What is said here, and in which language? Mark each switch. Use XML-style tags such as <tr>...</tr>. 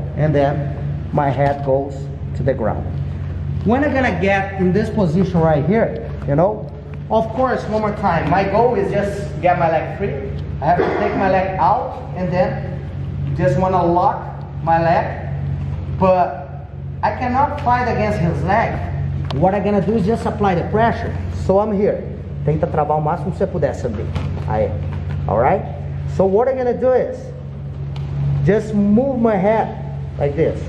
<en>And then my head goes to the ground. When I'm gonna get in this position right here, you know, of course, one more time, my goal is just get my leg free. I have to take my leg out and then just wanna lock my leg, but I cannot fight against his leg. What I'm gonna do is just apply the pressure. So I'm here.</en> <pt>Tenta travar o máximo que você puder, Sandy.</pt> <en>Aí, all right? So what I'm gonna do is just move my head like this.</en>